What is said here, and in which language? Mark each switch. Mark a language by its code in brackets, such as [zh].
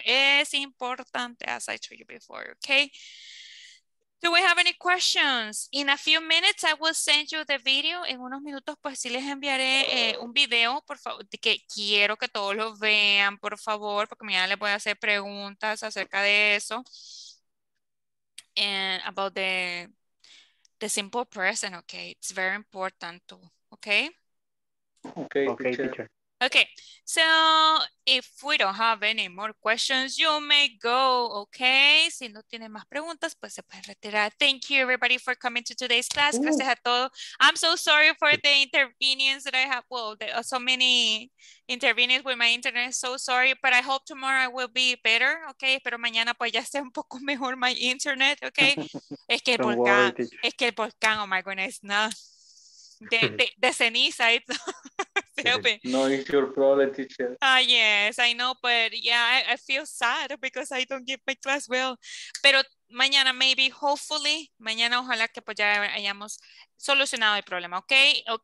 [es] Es importante, [en] as I told you before, okay? Do we have any questions? In a few minutes, I will send you the video. [es] En unos minutos, pues sí les enviaré un video, por favor, que quiero que todos lo vean, por favor, porque mañana les voy a hacer preguntas acerca de eso. [en] And about the simple present, okay? It's very important too, okay? Okay, teacher. Okay, so if we don't have any more questions, you may go, okay? [es] Si no tiene más preguntas, pues se puede retirar. [en] Thank you everybody for coming to today's class. [es] Gracias a todos. [en] I'm so sorry for the inconvenience that I have. Well, there are so many inconvenience with my internet. So sorry, but I hope tomorrow I will be better, okay? [es] Pero mañana pues ya esté un poco mejor [en] my internet, [es] okay? Es que el volcán, [en] oh my goodness, [es] no. De ceniza. [en] It's helping. No, it's your problem, teacher. Yes, I know, but yeah, I feel sad because I don't give my class well. [es] Pero mañana, [en] maybe, hopefully, [es] mañana ojalá que pues ya hayamos solucionado el problema, okay?